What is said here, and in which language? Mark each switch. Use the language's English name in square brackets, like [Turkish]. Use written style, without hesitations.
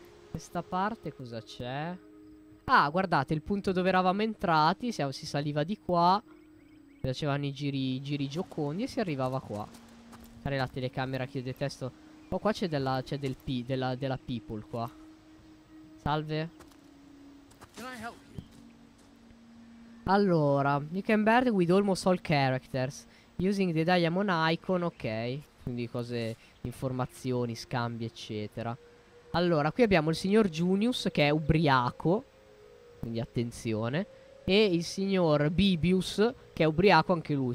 [Italian] Questa parte cosa c'è? Ah, guardate, il punto dove eravamo entrati. Si saliva di qua. Facevano i giri giocondi e si arrivava qua. Fare la telecamera che io detesto. Poi qua c'è della people qua. Salve. [English] Allora, you can bear with almost all characters using the diamond icon, ok. [Italian] Quindi cose, informazioni, scambi, eccetera. Allora, qui abbiamo il signor Junius che è ubriaco. Quindi attenzione. E il signor Bibius che è ubriaco anche lui.